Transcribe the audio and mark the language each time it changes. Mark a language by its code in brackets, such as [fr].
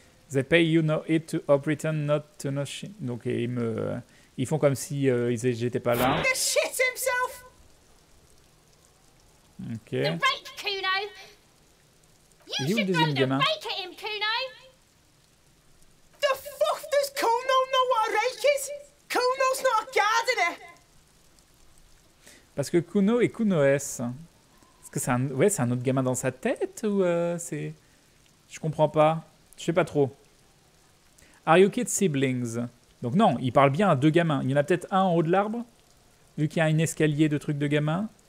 [en] They pay you no heed to or pretend not to know shit. [fr] Donc ils font comme si j'étais pas là. [en] The shit himself. Ok. The rake, Kuno. [fr] Il est où le deuxième gamin? [en] Rake at him, Kuno. The fuck does Kuno know what a rake is? Kuno's not a gardener. [fr] Parce que Kuno et Kuno-S, est-ce que c'est un autre gamin dans sa tête ou c'est... Je comprends pas. Je sais pas trop. [en] Are you kids siblings? [fr] Donc non, il parle bien à deux gamins. Il y en a peut-être un en haut de l'arbre, vu qu'il y a un escalier de trucs de gamins.